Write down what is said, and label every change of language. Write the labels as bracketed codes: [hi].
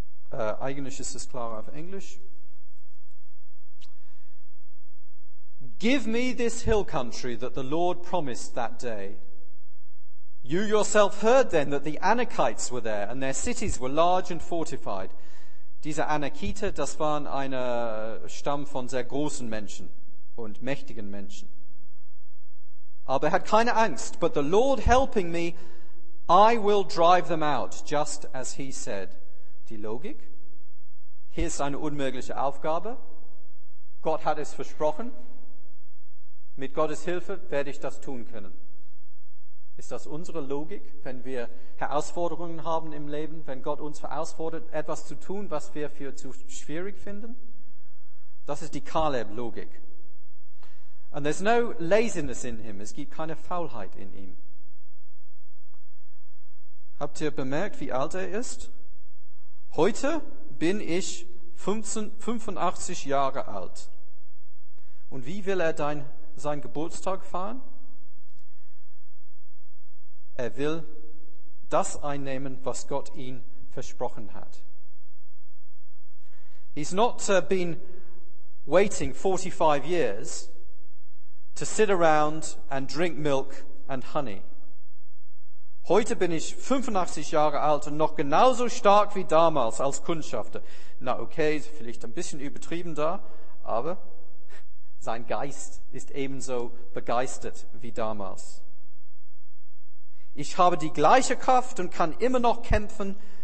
[de] Eigentlich ist es klarer auf Englisch. [en] Give me this hill country that the Lord promised that day. You yourself heard then that the Anakites were there and their cities were large and fortified. [de] Diese Anakiter, das waren ein Stamm von sehr großen Menschen und mächtigen Menschen. Aber er hat keine Angst, [en] but the Lord helping me, I will drive them out, just as he said. [de] Die Logik? Hier ist eine unmögliche Aufgabe. Gott hat es versprochen. Mit Gottes Hilfe werde ich das tun können. Ist das unsere Logik, wenn wir Herausforderungen haben im Leben, wenn Gott uns herausfordert, etwas zu tun, was wir für zu schwierig finden? Das ist die Caleb-Logik. [en] And there's no laziness in him. [de] Es gibt keine Faulheit in ihm. Habt ihr bemerkt, wie alt er ist? Heute bin ich 85 Jahre alt. Und wie will er seinen Geburtstag feiern? Er will das einnehmen, was Gott ihm versprochen hat. [en] He's not been waiting 45 years to sit around and drink milk and honey. [de] Heute bin ich 85 Jahre alt und noch genauso stark wie damals als Kundschafter. Na okay, vielleicht ein bisschen übertrieben da, aber sein Geist ist ebenso begeistert wie damals. Ich habe die gleiche Kraft und kann immer noch kämpfen.